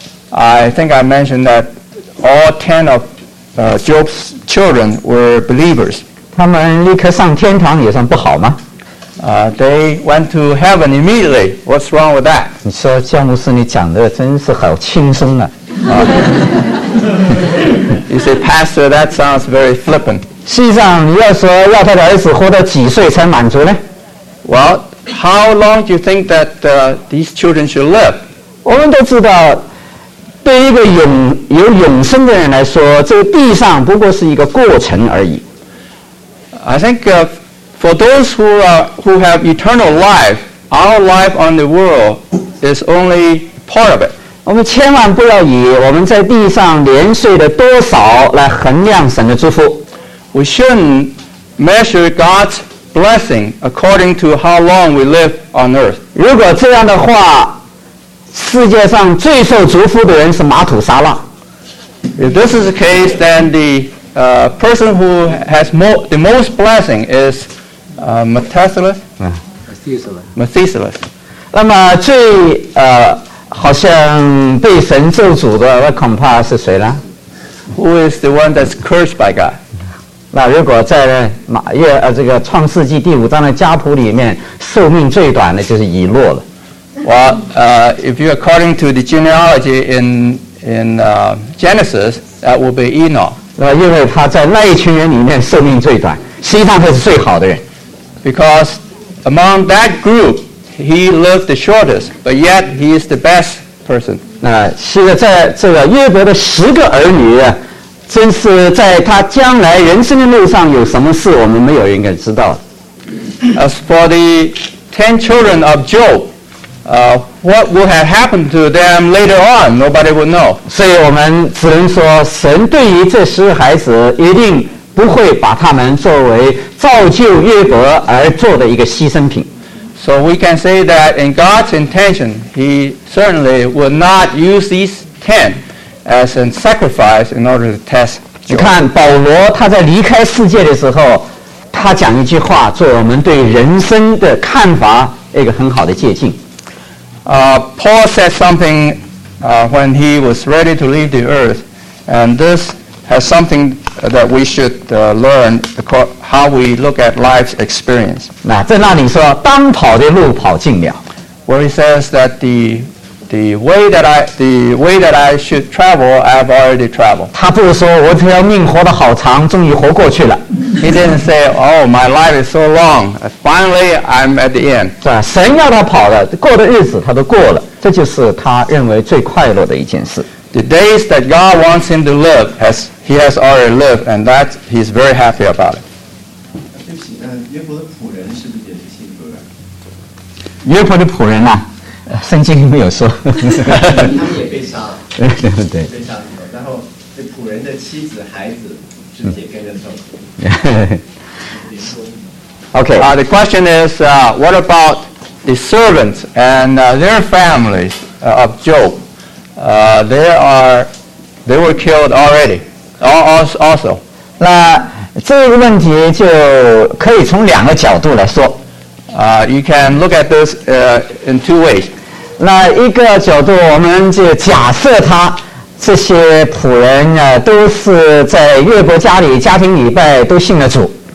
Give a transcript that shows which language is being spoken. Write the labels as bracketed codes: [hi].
[en] I think I mentioned that all 10 of Job's children were believers. [zh] 他们立刻上天堂也算不好吗？ [en] They went to heaven immediately. What's wrong with that? [zh] 你说姜牧师你讲的真是好轻松啊。 [en] You say, Pastor, that sounds very flippant. [zh] 实际上，你要说要他的儿子活到几岁才满足呢 [en] ？Well, how long do you think that these children should live? [zh] 我们都知道，对一个有永生的人来说，这个地上不过是一个过程而已。 [en] I think for those who have eternal life, our life on the world is only part of it. [zh] 我们千万不要以我们在地上年岁的多少来衡量神的祝福。 [en] We shouldn't measure God's blessing according to how long we live on earth. [zh] 如果这样的话，世界上最受祝福的人是马土沙拉。 [en] If this is the case, then the person who has the most blessing is Methuselah. [zh] 那么最好像被神咒诅的，那恐怕是谁呢 [en] ？Who is the one that's cursed by God？ [zh] 那如果在这个创世纪第五章的家谱里面，寿命最短的就是以诺了。 [en] Well, if you according to the genealogy in Genesis, that will be Enoch. [zh] 那因为他在那一群人里面寿命最短，实际上他是最好的人。 [en] Because among that group, he lived the shortest, but yet he is the best person. [zh] 那是在这个约伯的十个儿女啊。真是在他将来人生的路上有什么事我们没有应该知道 [en] As for the 10 children of Job what would have happened to them later on nobody would know [zh] 所以我们只能说神对于这十个孩子一定不会把他们作为造就约伯而做的一个牺牲品 [en] So we can say that in God's intention he certainly would not use these 10As a sacrifice in order to test. [zh] 你看保罗他在离开世界的时候，他讲一句话，做我们对人生的看法一个很好的借鉴。 [en] Paul said something when he was ready to leave the earth, and this has something that we should learn how we look at life's experience. [zh] 那在那里说，当跑的路跑尽了。 [en] Where he says that the way that I should travel, I've already traveled. [zh] 他不是说我只要命活得好长，终于活过去了。 [en] He didn't say, "Oh, my life is so long. Finally, I'm at the end." [zh] 是吧？神要他跑的，过的日子他都过了，这就是他认为最快乐的一件事。 The days that God wants him to live, he has already lived, and that he's very happy about it. 对不起，约伯的仆人是不是也是信主的？约伯的仆人呐。圣经里没有说他们也被杀了对对对被杀然后这仆人的妻子孩子是也跟着 [en] 走OK the question is what about the servants and their families of Job they were killed already also [zh] 那这个问题就可以从两个角度来说 [en] you can look at this in two ways [zh] 那一个角度我们就假设他这些仆人啊都是在约伯家里家庭礼拜都信了主